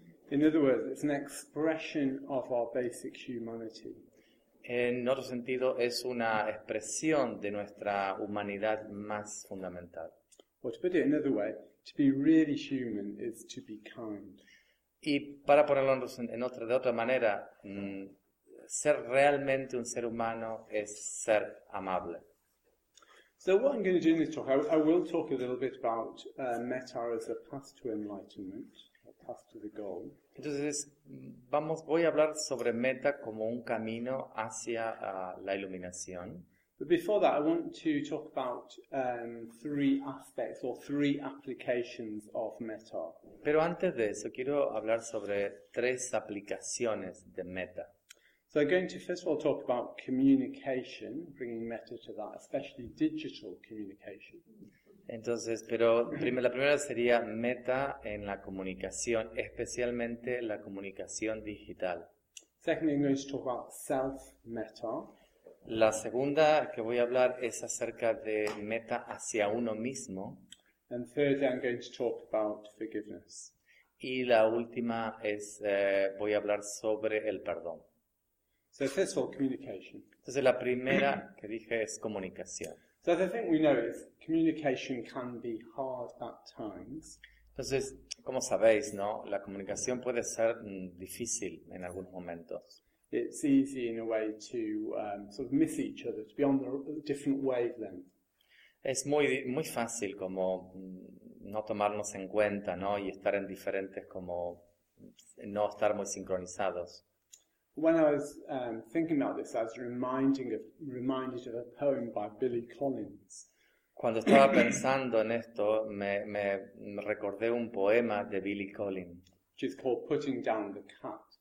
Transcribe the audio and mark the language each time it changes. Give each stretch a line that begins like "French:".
English: In other words, it's an expression of our basic humanity.
Spanish: En otro sentido, es una expresión de nuestra humanidad más fundamental.
English: Or to put it another way, to be really human is to be kind.
Spanish: Y para ponerlo de otra manera, ser realmente un ser humano es ser amable.
English: So what I'm going to do in this talk, I will talk a little bit about metta as a path to enlightenment, a path to the goal.
Spanish: Entonces, voy a hablar sobre metta como un camino hacia la iluminación.
English: But before that, I want to talk about three aspects or three applications of metta.
Spanish: Pero antes de eso, quiero hablar sobre tres aplicaciones de metta.
English: So I'm going to first of all talk about communication, bringing metta to that, especially digital communication.
Spanish: Entonces, pero la primera sería metta en la comunicación, especialmente la comunicación digital.
English: Secondly, I'm going to talk about self-metta.
Spanish: La segunda que voy a hablar es acerca de metta hacia uno mismo.
English: And thirdly, I'm going to talk about forgiveness.
Spanish: Y la última es, voy a hablar sobre el perdón.
English: So first of all, communication.
Spanish: Entonces, la primera que dije es comunicación.
English: So the thing we know is communication can be hard at times.
Spanish: Entonces, como sabéis, ¿no? La comunicación puede ser difícil en algunos momentos.
English: It's easy in a way to sort of miss each other, to be on a different wavelength.
Spanish: Es muy muy fácil como no tomarnos en cuenta, ¿no? Y estar en diferentes, como no estar muy sincronizados.
English: When I was thinking about this, I was reminded of a poem by Billy Collins.
Spanish: Cuando estaba pensando en esto, me recordé un poema de Billy Collins.
English: Which is called Putting Down the Cat.